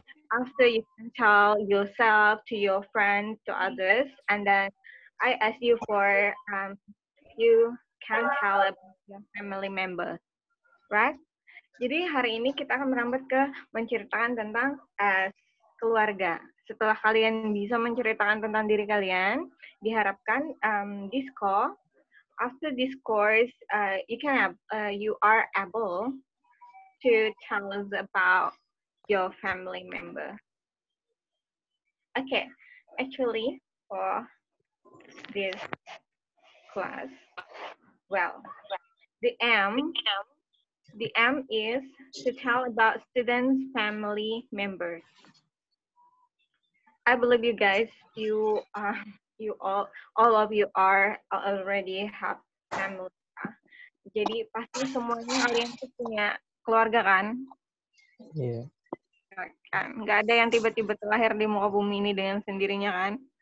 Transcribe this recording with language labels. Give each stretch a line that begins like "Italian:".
English: After you can tell yourself to your friends, to others, and then I ask you for, you can tell about your family members, right?
Indonesian: Jadi hari ini kita akan merambat ke menceritakan tentang keluarga. Setelah kalian bisa menceritakan tentang diri kalian, diharapkan
English: this call, after this course, you are able to tell us about your family member. Okay, actually for this class, well, the M is to tell about students' family members. I believe you guys, you all are already have family.
Indonesian: Jadi pasti semuanya kalian punya keluarga kan? Iya.
English: Yeah.
Indonesian: Kan? Gak ada yang tiba-tiba terlahir di muka bumi ini dengan sendirinya kan?